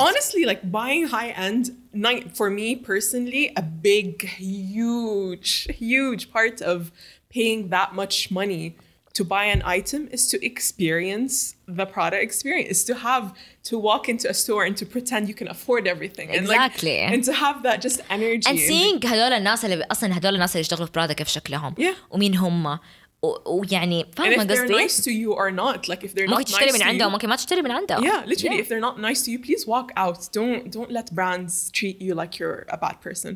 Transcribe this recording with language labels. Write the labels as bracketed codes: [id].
[en] Honestly, like buying high end, for me personally, a big, huge part of paying that much money to buy an item is to experience the product experience, is to have to walk into a store and to pretend you can afford everything. Exactly. And, like, and to have that just energy. And seeing [ar] هدول الناس اللي أصلاً هدول الناس اللي يشتغلوا في برادا كيف شكلهم. [en] Yeah. [ar] ومين هم. ويعني فاهم قصدي. [en] And if they're nice to you or not. Like if they're not nice to you. [ar] ممكن ما تشتري من عنده. [en] Yeah, literally. Yeah. If they're not nice to you, please walk out. Don't let brands treat you like you're a bad person.